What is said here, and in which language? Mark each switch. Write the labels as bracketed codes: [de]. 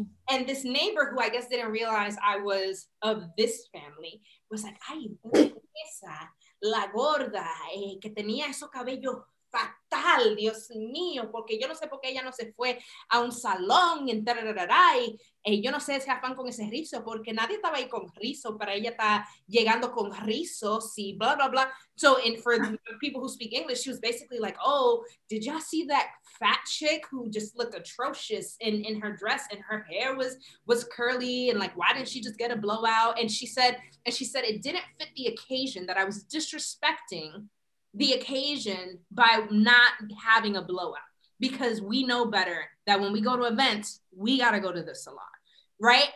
[en] And this neighbor who I guess didn't realize I was of this family was like, [es] ay, esa. La gorda, que tenía esos cabellos fatal, Dios mío, porque yo no sé por qué ella no se fue a un salón, yo no sé ese afán con ese rizo, porque nadie estaba ahí con rizo, pero ella está llegando con rizos y blah, blah, blah. [en] So, and for the people who speak English, she was basically like, oh, did y'all see that fat chick who just looked atrocious in her dress and her hair was curly and like, why didn't she just get a blowout? And she said it didn't fit the occasion, that I was disrespecting the occasion by not having a blowout, because we know better that when we go to events, we got to go to the salon, right?